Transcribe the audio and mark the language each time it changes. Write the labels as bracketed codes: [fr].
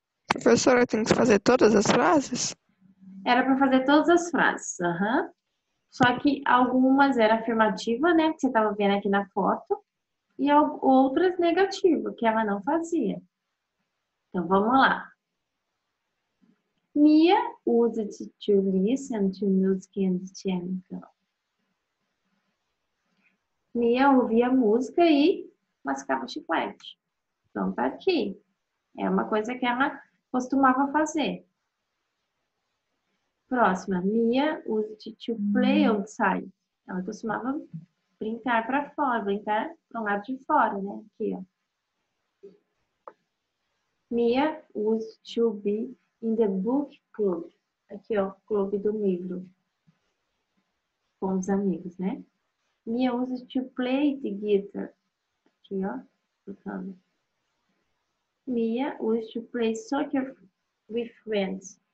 [pt] Professora, tem que fazer todas as frases? Era para fazer todas as frases, uhum. Só que algumas era afirmativa, né, que você tava vendo aqui na foto, e outras negativa, que ela não fazia. Então, vamos lá. [en] Mia used to listen to music and chemical. [pt] Mia ouvia música e mascava chiclete. Então, tá aqui. É uma coisa que ela costumava fazer. Próxima. [en] Mia used to play outside. [pt] Ela costumava brincar para fora, brincar para um lado de fora, né? Aqui, ó. [en] Mia used to be in the book club. [pt] Aqui, ó. Clube do livro. Com os amigos, né? [en] Mia used to play the guitar. [pt] Aqui, ó, [en] Mia used to play soccer with friends.